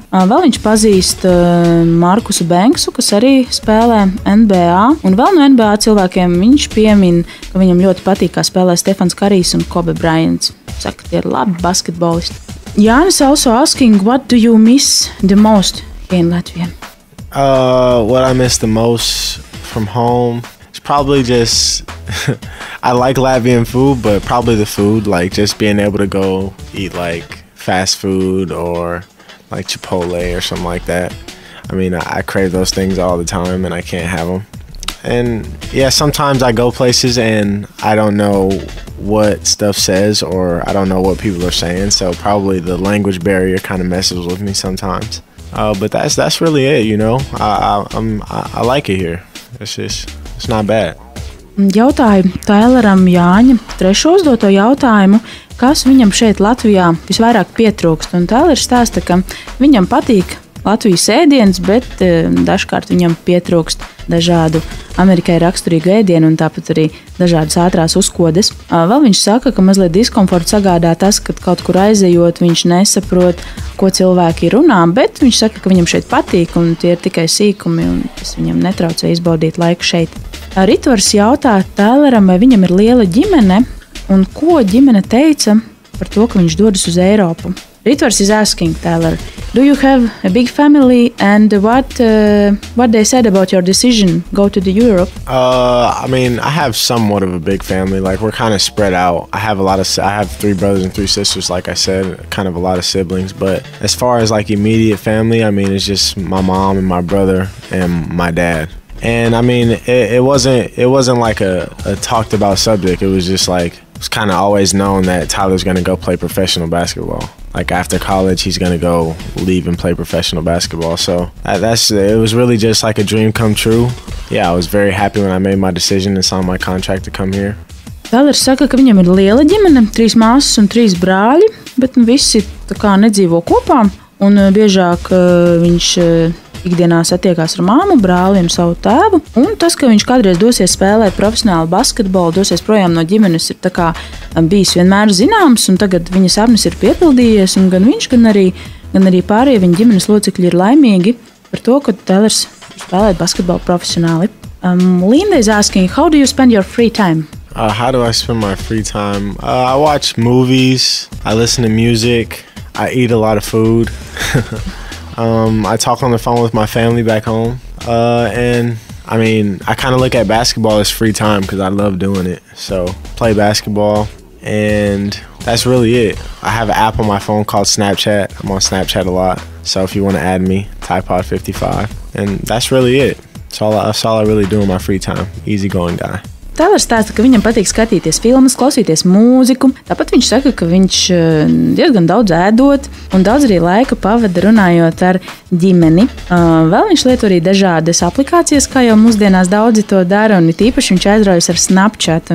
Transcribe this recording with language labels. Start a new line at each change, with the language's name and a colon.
Latvian: Vēl viņš pazīst Markusu Banksu, kas arī spēlē NBA, un vēl no NBA cilvēkiem viņš piemin, ka viņam ļoti patīk, kā spēlē Stefans Karijs un Kobe Bryants. Saka, tie ir labi basketbolisti.
English: Jānis also asking, what do you miss the most in Latvia? What I miss the most from home, it's probably just, I like Latvian food, but probably the food, like just being able to go eat like fast food or like Chipotle or something like that. I mean, I crave those things all the time and I can't have them. And yeah, sometimes I go places and I don't know what stuff says or I don't know what people are saying, so probably the language barrier kind of messes with me sometimes. But that's really it, you know. I like it here. It's not bad.
Latvian: Jautāju Taileram Jāņa trešo uzdoto jautājumu, kas viņam šeit Latvijā visvairāk pietrūkst. Un Tailers stāsta, ka viņam patīk Latvijas ēdiens, bet dažkārt viņam pietrūkst dažādu Amerikai raksturīgu ēdienu un tāpat arī dažādas ātrās uzkodes. Vēl viņš saka, ka mazliet diskomforta sagādā tas, kad kaut kur aizejot viņš nesaprot, ko cilvēki runā, bet viņš saka, ka viņam šeit patīk un tie ir tikai sīkumi un tas viņam netraucē izbaudīt laiku šeit. Ritvars jautā Taileram, vai viņam ir liela ģimene un ko ģimene teica par to, ka viņš dodas uz Eiropu.
English: Ritvars is asking, Taylor, do you have a big family and what they said about your decision go to the Europe? I mean, I have somewhat of a big family. Like, we're kind of spread out. I have three brothers and three sisters, like I said, kind of a lot of siblings. But as far as, like, immediate family, I mean, it's just my mom and my brother and my dad. And, I mean, it wasn't like a talked about subject. It was just, like, it's kind of always known that Tyler's going to go play professional basketball. Like after college, he's going to go leave and play professional basketball. So it was really just like a dream come true. Yeah, I was very happy when I made my decision and signed my contract to come here.
Latvian: Tyler saka, ka viņam ir liela ģimene, trīs māsas un trīs brāļi, bet visi tā kā nedzīvo kopā. Un biežāk viņš ikdienā satiekās ar māmu, brāli un savu tēvu. Un tas, ka viņš kādreiz dosies spēlēt profesionālu basketbolu, dosies projām no ģimenes, ir tā kā bijis vienmēr zināms. Un tagad viņa sapnis ir piepildījies. Un gan viņš, gan arī pārējie viņa ģimenes locekļi ir laimīgi par to, ka Taylors spēlē basketbolu profesionāli.
English: Linda is asking, how do you spend your free time? How do I spend my free time? I watch movies, I listen to music. I eat a lot of food. I talk on the phone with my family back home. And I mean, I kind of look at basketball as free time because I love doing it. So play basketball and that's really it. I have an app on my phone called Snapchat. I'm on Snapchat a lot. So if you want to add me, Typod55. And that's really it. That's all I really do in my free time. Easy going guy.
Latvian: Taylors stāsta, ka viņam patīk skatīties filmas, klausīties mūziku. Tāpat viņš saka, ka viņš diezgan daudz ēdot un daudz arī laika pavada runājot ar ģimeni. Vēl viņš lieto arī dažādas aplikācijas, kā jau mūsdienās daudzi to dara, un tīpaši viņš aizraujas ar Snapchat.